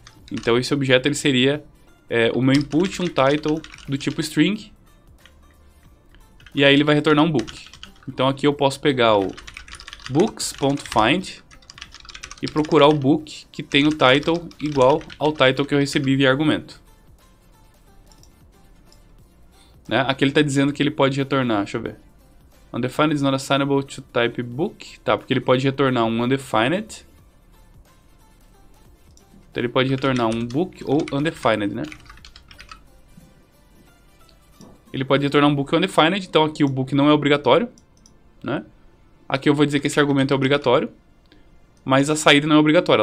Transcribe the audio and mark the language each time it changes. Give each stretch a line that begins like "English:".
Portuguese: Então, esse objeto, ele seria o meu input, um title do tipo string, e aí ele vai retornar um book. Então, aqui eu posso pegar o books.find e procurar o book que tem o title igual ao title que eu recebi via argumento. Né? Aqui ele está dizendo que ele pode retornar, deixa eu ver.
English: Undefined is not assignable to type book.
Portuguese: Tá, porque ele pode retornar um undefined. Então ele pode retornar um book ou undefined, né? Ele pode retornar um book ou undefined, então aqui o book não é obrigatório, né? Aqui eu vou dizer que esse argumento é obrigatório, mas a saída não é obrigatória.